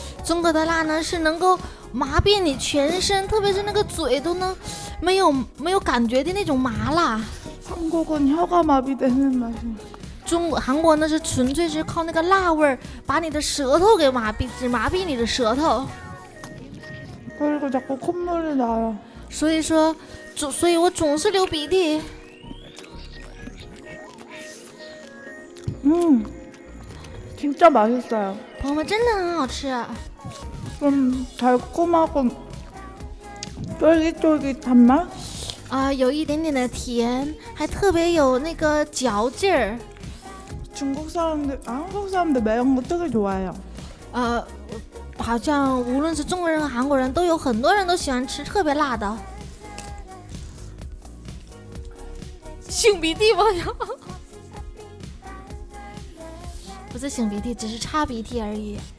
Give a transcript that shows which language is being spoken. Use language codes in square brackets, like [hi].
[zh] 中国的辣呢是能够麻痹你全身，特别是那个嘴都能没有感觉的那种麻辣。 [ko] 한국은혀가마비되는맛이。 [zh] 中国韩国呢是纯粹是靠那个辣味把你的舌头给麻痹，只麻痹你的舌头。 [ko] 그리고자꾸콧물이나요。 [zh] 所以我总是流鼻涕。 [ko] 진짜맛있어요。 [zh] 朋友们，真的很好吃。 [ko] 좀달콤하고쫄깃쫄깃한맛？ [zh] 啊，有一点点的甜，还特别有那个嚼劲儿。 [ko] 중국사람들한국사람들매운거되게좋아해요。 [zh] 好像无论是中国人和韩国人，都有很多人都喜欢吃特别辣的。擤鼻涕吗？不是擤鼻涕，只是擦鼻涕而已。